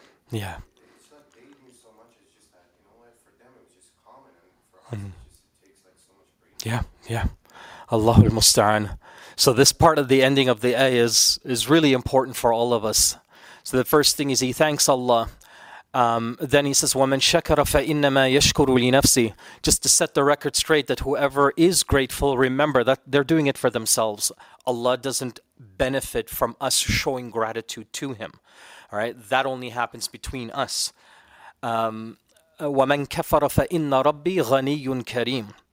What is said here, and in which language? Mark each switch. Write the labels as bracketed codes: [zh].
[en] Yeah. It's not dating so much, it's just that, you know what, for them it was just common, and for us it just takes like so much brain. Yeah, yeah. [ar] Allahu al-Musta'an. [en] So this part of the ending of the ayah is really important for all of us. So the first thing is he thanks Allah. Then he says, [ar] وَمَنْ شَكَرَ فَإِنَّمَا يَشْكُرُ لِنَفْسِهِ. [en] Just to set the record straight that whoever is grateful, remember that they're doing it for themselves. Allah doesn't benefit from us showing gratitude to him. All right, that only happens between us. [ar] وَمَنْ كَفَرَ فَإِنَّ رَبِّي غَنِيٌّ كَرِيمٌ.